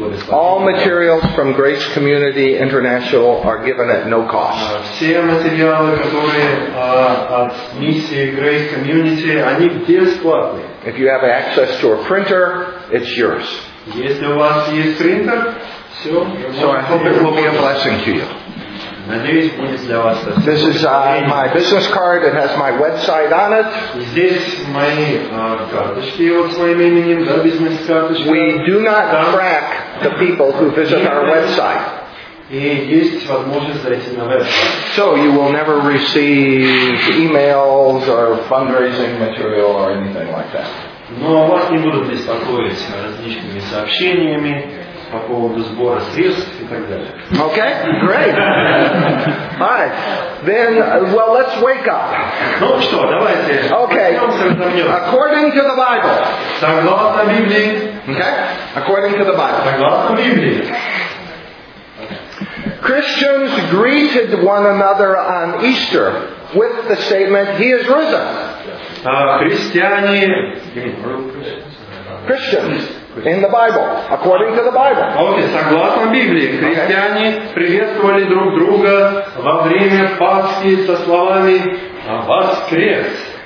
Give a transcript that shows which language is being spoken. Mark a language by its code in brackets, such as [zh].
[en] All materials from Grace Community International are given at no cost. [ru] Все материалы, которые от миссии Grace Community, они бесплатные. [en] If you have access to a printer, it's yours. [ru] Если у вас есть принтер, [en] so I hope it will be a blessing to you. This is my business card. It has my website on it. We do not track the people who visit our website. So you will never receive emails or fundraising material or anything like that. [ru] Но вас не будут беспокоить различными сообщениями по поводу сбора средств и так далее. [en] Okay, great. All right. Then, well, let's wake up. [ru] Ну что, давайте. [en] Okay. According to the Bible. [ru] Согласно Библии. [en] Okay. According to the Bible. [ru] Согласно Библии. [en] Christians greeted one another on Easter with the statement, "He is risen." Christians. In the Bible, according to the Bible. [ru] Okay, согласно Библии, христиане приветствовали друг друга во время Пасхи со словами «Воскрес!».